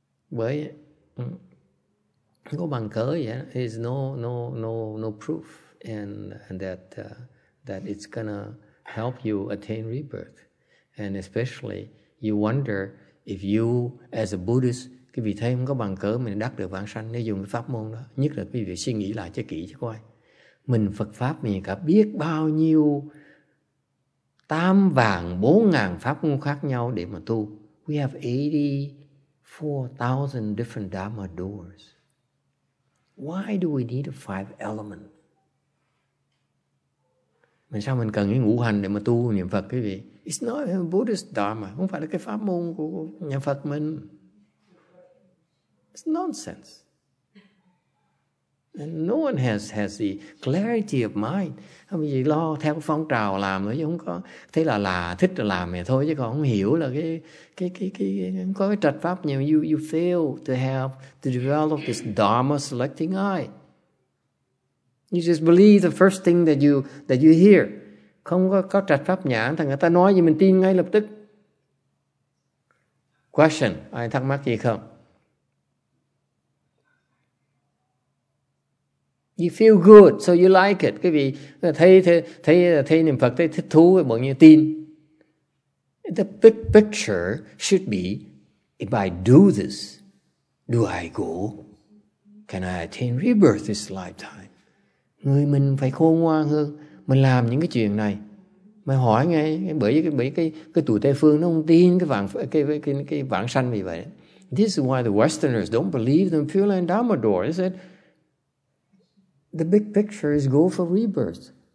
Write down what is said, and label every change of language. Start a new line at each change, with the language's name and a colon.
Vietnamese: Bởi có bằng cớ vậy,
English: there's no proof and that that it's gonna help you attain rebirth. And especially you wonder if you as a Buddhist,
Vietnamese: cái vị thấy không có bằng cớ mình đắc được vãng sanh nếu dùng cái pháp môn đó, nhất là quý vị suy nghĩ lại cho kỹ cho coi. Mình Phật pháp mình cả biết bao nhiêu tam vàng 4,000 pháp môn khác nhau để mà tu.
English: We have 84,000 different dharma doors. Why do we need a five element?
Vietnamese: Mình sao mình cần cái ngũ hành để mà tu niệm Phật quý vị?
English: It's not a Buddhist dharma.
Vietnamese: Không phải là cái pháp môn của nhà Phật mình.
English: It's nonsense. And no one has the clarity of mind.
Vietnamese: Không gì lo theo phong trào làm nữa chứ không có. Thế là thích là làm vậy thôi chứ còn không hiểu là cái có cái trạch pháp nhiều.
English: You fail to develop this dharma selecting eye. You just believe the first thing that you hear.
Vietnamese: Không có trạch pháp nhãn thì người ta nói gì mình tin ngay lập tức. Question, ai thắc mắc gì không?
English: You feel good, so you like it.
Vietnamese: Quý vị thấy niệm Phật, thấy thích thú, bỗng nhiên tin.
English: The big picture should be, if I do this, do I go? Can I attain rebirth this lifetime?
Vietnamese: Người mình phải khôn ngoan hơn. Mình làm những cái chuyện này. Mày hỏi ngay, bởi cái tụi Tây Phương nó không tin cái vãng sanh vì vậy.
English: This is why the Westerners don't believe the Pure Land Dharma Door. They said, the big picture is go for rebirth.